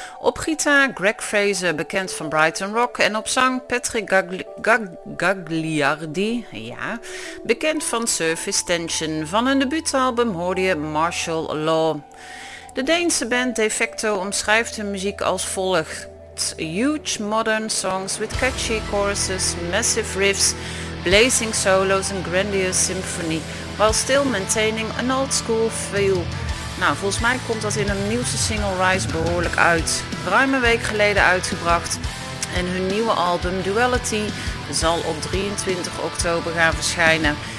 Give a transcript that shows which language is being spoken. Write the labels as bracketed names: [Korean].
[Dutch] Op gitaar Greg Fraser, bekend van Brighton Rock, en op zang Patrick Gagliardi, bekend van Surface Tension. Van hun debuutalbum hoorde je Martial Law. De Deense band Defecto omschrijft hun muziek als volgt. [English] Huge modern songs with catchy choruses, massive riffs, blazing solos and grandiose symphony, while still maintaining an old school feel. [Dutch] Nou, volgens mij komt dat in hun nieuwste single Rise behoorlijk uit. Ruim een week geleden uitgebracht en hun nieuwe album Duality zal op 23 oktober gaan verschijnen.